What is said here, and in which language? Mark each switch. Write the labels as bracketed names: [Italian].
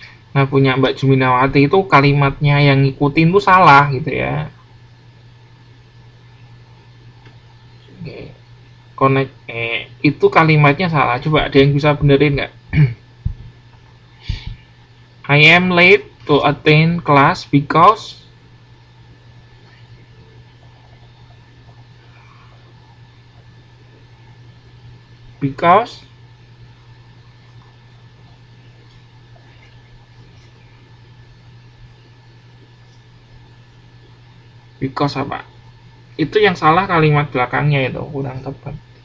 [Indonesian] Nah, punya Mbak Juminawati itu kalimatnya yang ngikutin itu salah gitu ya. Oke. Connect itu kalimatnya salah. Coba ada yang bisa benerin nggak? [English] I am late to attend class because because apa? [Indonesian] Itu yang salah kalimat belakangnya itu kurang tepat.